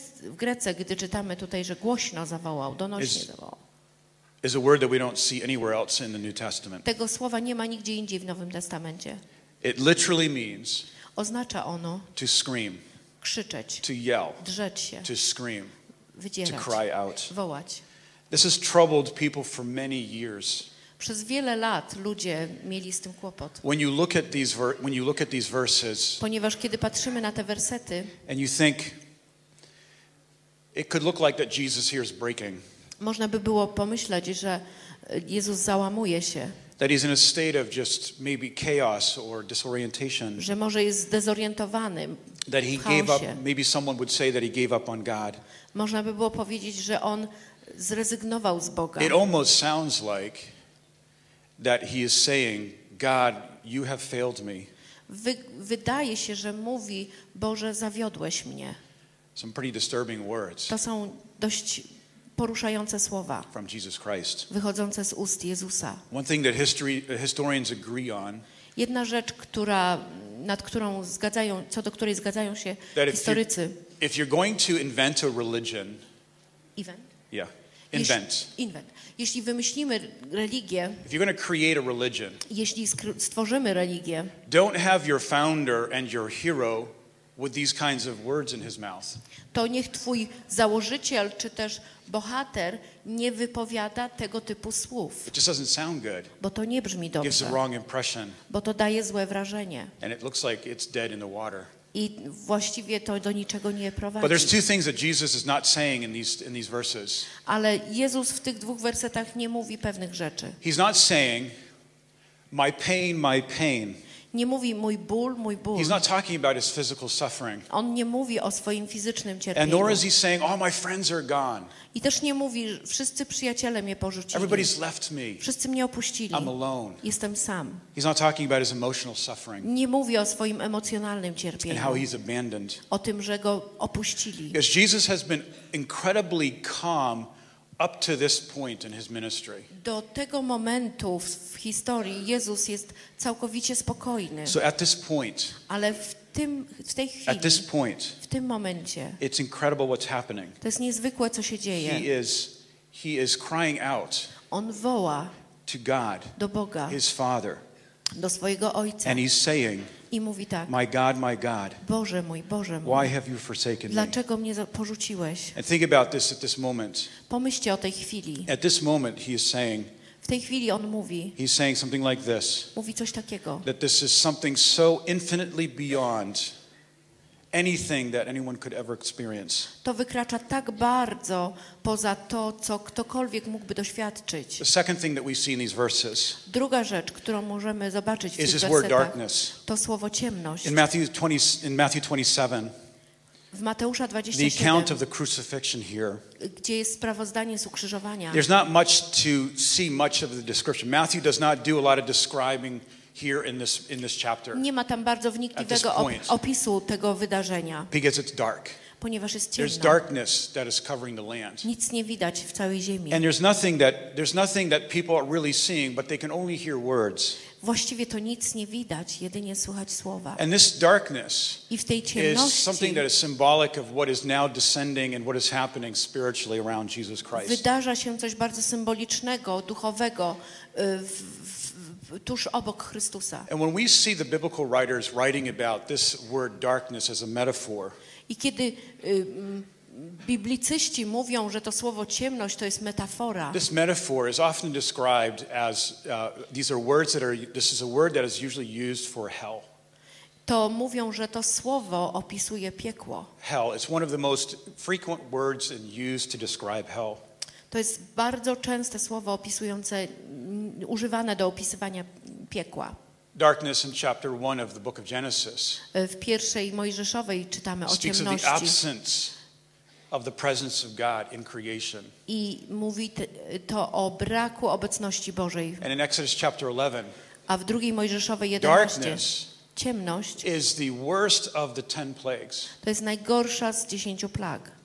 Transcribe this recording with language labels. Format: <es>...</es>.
<pl>W grece, gdy czytamy tutaj, że głośno zawołał, donośnie zawołał.</pl> <en>Is a word that we don't see anywhere else in the New Testament.</en> <pl>Tego słowa nie ma nigdzie indziej w Nowym Testamencie.</pl> <en>It literally means.</en> <pl>Oznacza ono.</pl> <en>To scream.</en> <pl>Krzyczeć.</pl> <en>To yell.</en> <pl>Drzeć się.</pl> <en>To scream.</en> <pl>Wydzierać.</pl> <en>To cry out.</en> <pl>Wołać.</pl> <en>This has troubled people for many years.</en> <pl>Przez wiele lat ludzie mieli z tym kłopot.</pl> <en>When you look at these verses,</en> <pl>ponieważ kiedy patrzymy na te wersety,</pl> <en>and you think it could look like that Jesus here is breaking.</en> <pl>Można by było pomyśleć, że Jezus załamuje się.</pl> <en>That he's in a state of just maybe chaos or disorientation.</en> <pl>Że może jest zdezorientowany.</pl> <en>That he gave up, maybe someone would say that he gave up on God.</en> <pl>Można by było powiedzieć, że on zrezygnował z Boga.</pl> <en>It almost sounds like that he is saying, God, you have failed me.</en> <pl>Wydaje się, że mówi, Boże, zawiodłeś mnie.</pl> <en>Some pretty disturbing words.</en> <pl>To są dość poruszające słowa</pl> <en>from Jesus Christ.</en> <pl>Wychodzące z ust Jezusa.</pl> <en>One thing that historians agree on.</en> <pl>Jedna rzecz, która, nad którą zgadzają, co do której zgadzają się historycy.</pl> <en>If you're going to invent a religion. Event? Yeah. Invent. Invent.</en> <pl>Jeśli wymyślimy religię.</pl> <en>If you're going to create a religion.</en> <pl>Jeśli stworzymy religię.</pl> <en>Don't have your founder and your hero with these kinds of words in his mouth.</en> <pl>To niech twój założyciel czy też bohater nie wypowiada tego typu słów.</pl> <en>It just doesn't sound good.</en> <pl>Bo to nie brzmi dobrze.</pl> <en>It gives a wrong impression.</en> <pl>Bo to daje złe wrażenie.</pl> <en>And it looks like it's dead in the water.</en> <pl>I właściwie to do niczego nie prowadzi.</pl> <en>But there's two things that Jesus is not saying in these verses.</en> <pl>Ale Jezus w tych dwóch wersetach nie mówi pewnych rzeczy.</pl> <en>He's not saying my pain, my pain.</en> <pl>Nie mówi mój ból, mój ból.</pl> <en>He's not talking about his physical suffering.</en> <pl>On nie mówi o swoim fizycznym cierpieniu.</pl> <en>And nor is he saying, "All my friends are gone."</en> <pl>I też nie mówi, wszyscy przyjaciele mnie porzucili.</pl> <en>Everybody's left me.</en> <pl>Wszyscy mnie opuścili.</pl> <en>I'm alone.</en> <pl>Jestem sam.</pl> <en>He's not talking about his emotional suffering.</en> <pl>Nie mówi o swoim emocjonalnym cierpieniu.</pl> <en>And how he's abandoned.</en> <pl>O tym, że go opuścili.</pl> <en>Because Jesus has been incredibly calm up to this point in his ministry.</en> <pl>Do tego momentu w historii Jezus jest całkowicie spokojny.</pl> <en>So at this point.</en> <pl>Ale w tej chwili.</pl> <en>At this point.</en> <pl>W tym momencie.</pl> <en>It's incredible what's happening.</en> <pl>To jest niezwykłe, co się dzieje.</pl> <en>He is crying out.</en> <pl>On woła</pl> <en>to God.</en> <pl>Do Boga.</pl> <en>His Father.</en> <pl>Do swojego Ojca.</pl> <en>And he's saying,</en> <pl>i mówi tak.</pl> <en>My God, my God.</en> <pl>Boże mój, Boże mój.</pl> <en>Why have you forsaken me?</en> <pl>Dlaczego mnie porzuciłeś?</pl> <en>And think about this at this moment.</en> <pl>Pomyślcie o tej chwili.</pl> <en>At this moment he is saying.</en> <pl>W tej chwili on mówi.</pl> <en>He's saying something like this.</en> <pl>Mówi coś takiego.</pl> <en>That this is something so infinitely beyond anything that anyone could ever experience.</en> <pl>To wykracza tak bardzo poza to, co ktokolwiek mógłby doświadczyć.</pl> <en>The second thing that we see in these verses.</en> <pl>Druga rzecz, którą możemy zobaczyć w tych wersetach,</pl> <en>word darkness.</en> <pl>To słowo ciemność.</pl> <en>In Matthew 27.</en> <pl>W Mateusza 27.</pl> <en>The account of the crucifixion here.</en> <pl>Gdzie jest sprawozdanie z ukrzyżowania.</pl> <en>There's not much to see much of the description. Matthew does not do a lot of describing here in this chapter.</en> <pl>Nie ma tam bardzo wnikliwego opisu tego wydarzenia.</pl> <en>Because it's dark.</en> <pl>Ponieważ jest ciemno.</pl> <en>There's darkness that is covering the land.</en> <pl>Nic nie widać w całej ziemi.</pl> <en>And there's nothing that people are really seeing, but they can only hear words.</en> <pl>Właściwie to nic nie widać, jedynie słychać słowa.</pl> <en>And this darkness is something that is symbolic of what is now descending and what is happening spiritually around Jesus Christ.</en> <pl>Wydarza się coś bardzo symbolicznego, duchowego tuż obok Chrystusa.</pl> <en>And when we see the biblical writers writing about this word darkness as a metaphor.</en> <pl>I kiedy biblicyści mówią, że to słowo ciemność to jest metafora.</pl> <en>This metaphor is often described as this is a word that is usually used for hell.</en> <pl>To mówią, że to słowo opisuje piekło.</pl> <en>Hell, it's one of the most frequent words used to describe hell.</en> <pl>To jest bardzo częste słowo opisujące, używane do opisywania piekła.</pl> <en>Darkness in chapter 1 of the book of Genesis.</en> <pl>W pierwszej Mojżeszowej czytamy o ciemności.</pl> <en>Speaks of the absence of the presence of God in creation.</en> <pl>I mówi to o braku obecności Bożej.</pl> <en>And in Exodus chapter 11.</en> <pl>A w drugiej Mojżeszowej 11.</pl> <en>Darkness.</en> <pl>Ciemność.</pl> <en>Is the worst of the 10 plagues.</en> <pl>To jest najgorsza z 10 plag.</pl>